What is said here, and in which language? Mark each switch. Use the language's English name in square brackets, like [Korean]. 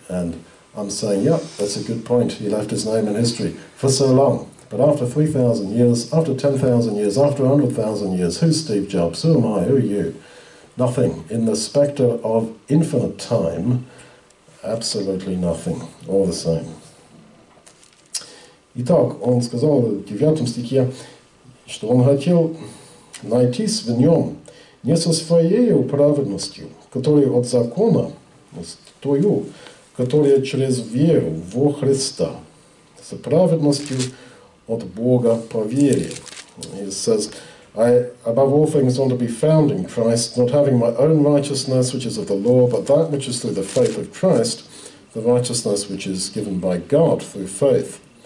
[English] And I'm saying, yeah, that's a good point. He left his name in history for so long. But after 3,000 years, after 10,000 years, after 100,000 years, who's Steve Jobs? Who am I? Who are you? Nothing. In the specter of infinite time, absolutely nothing. All the same. [Russian] Итак, он сказал в 9 стихе, что он хотел найтись в нем не со своей праведностью, которая от закона, но с тою, которая через веру во Христа, с праведностью от Бога по вере. [English] He says, I above all things want to be found in Christ, not having my own righteousness, which is of the law, but that which is through the faith of Christ, the righteousness which is given by God through faith.